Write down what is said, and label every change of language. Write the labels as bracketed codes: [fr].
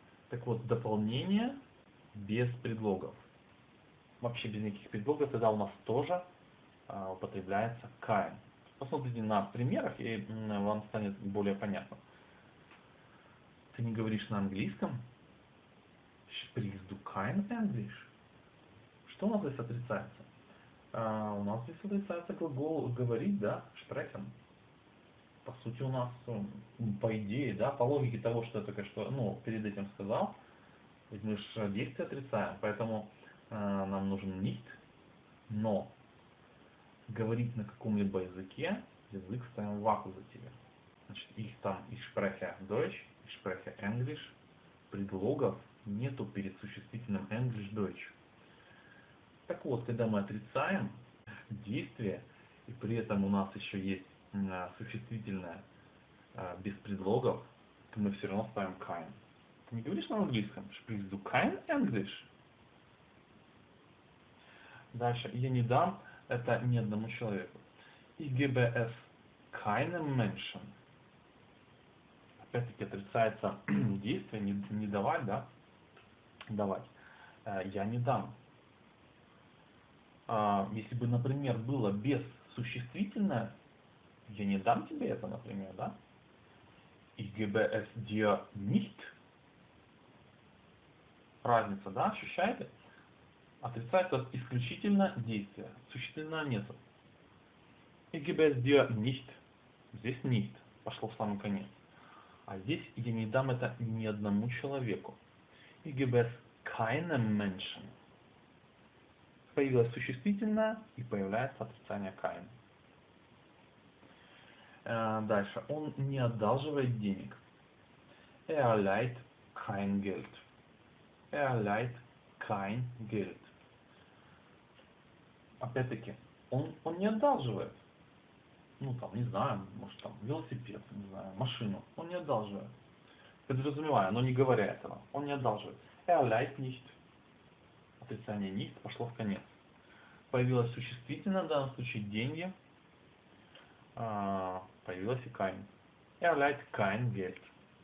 [ru] Так вот, дополнение без предлогов. Вообще без никаких предлогов, тогда у нас тоже употребляется kein. Посмотрите на примерах, и вам станет более понятно. Ты не говоришь на английском? [de] Sprichst du kein Englisch? [ru] Что у нас здесь отрицается? У нас здесь отрицается глагол говорить, да? [de] Sprechen. [ru] По сути у нас, по идее, да, по логике того, что я только что, ну, перед этим сказал, мы же действие отрицаем, поэтому нам нужен nicht. Но говорить на каком-либо языке, язык ставим в аккузативе. Значит, ich там, [de] ich spreche Deutsch. Sprecher English, [ru] предлогов нету перед существительным English, Deutsch. Так вот, когда мы отрицаем действие, и при этом у нас еще есть существительное без предлогов, то мы все равно ставим kein. Ты не говоришь на английском? [de] Sprichst du kein English? [ru] Дальше. Я не дам это ни одному человеку. [de] Ich gebe es keinem Menschen. [ru] Опять-таки отрицается действие, не давать, да? Давать. Я не дам. Если бы, например, было бессуществительное, я не дам тебе это, например, да? [de] Ich gebe es dir nicht. [ru] Разница, да, ощущаете? Отрицается исключительно действие. Существительного нет. [de] Ich gebe es dir nicht. [ru] Здесь nicht. Пошло в самый конец. А здесь я не дам это ни одному человеку. [de] Ich gebe es keinem Menschen. [ru] Появилось существительное и появляется отрицание kein. Дальше. Он не одалживает денег. [de] Er leiht kein Geld. Er leiht kein Geld. [ru] Опять-таки, он не одалживает. Ну, там, не знаю, может, там, велосипед, не знаю, машину. Он не одалживает. Подразумеваю, но не говоря этого. Он не одалживает. [de] Er leiht nicht. [ru] Отрицание nicht пошло в конец. Появилось существительное, в данном случае, деньги. Появилось и [de] kein. Er leiht kein Geld.